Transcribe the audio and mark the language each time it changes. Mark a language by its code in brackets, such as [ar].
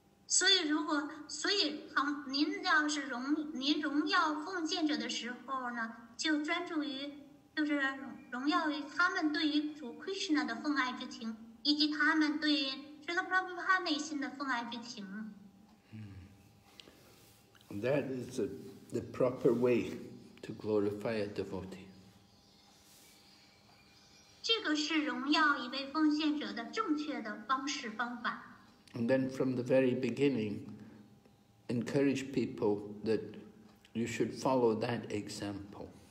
[zh] 所以您要是荣耀奉献者的时候呢，就专注于 就是荣耀于他们对于主 Krishna 的奉爱之情，以及他们对 Srila Prabhupada 内心的奉爱之情。 [en] That is the proper way to glorify a devotee. [zh] 这个是荣耀一位奉献者的正确的方式方法。 [en] And then from the very beginning, encourage people that you should follow that example.